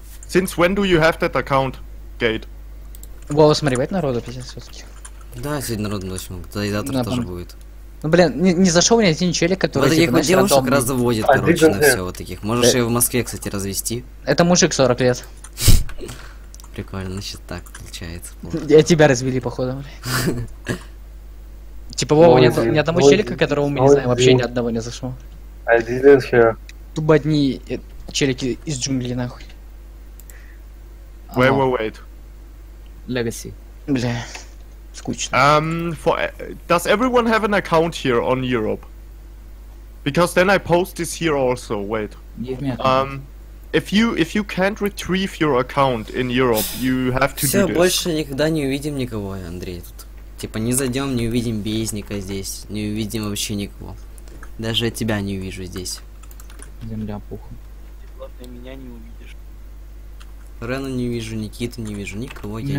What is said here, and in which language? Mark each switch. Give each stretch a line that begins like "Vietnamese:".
English: Since when do you have that account, Гейт?
Russian: Вова, смотри, бывает народу, пиздец, все-таки. Да, сегодня народу очень много, да и завтра на тоже будет. Ну блин, не зашел мне один челик, который... Вот типа, девушек дом... разводит, короче, на все вот таких. Можешь ее в Москве, кстати, развести. Это мужик 40 лет. Прикольно, значит так получается. Я тебя развели, походу. Типа, Вова, ни одного челика, которого мы не знаем, вообще ни одного не зашло.
English: I didn't hear.
Russian: Тупо одни челики из джунглей, нахуй.
English: Wait. Legacy.
Russian: Бля. Скучно.
English: Does everyone have an account here on Europe? Because then I post this here also. Wait. If you can't retrieve your account in Europe, you have to
Russian: Все,
English: do this.
Russian: Все, больше никогда не увидим никого, Андрей. Тут. Типа не зайдем, не увидим Безника здесь, не увидим вообще никого. Даже тебя не увижу здесь. Земля пухом. Главное, меня не увидишь. Рену не вижу, Никиту не вижу, никого я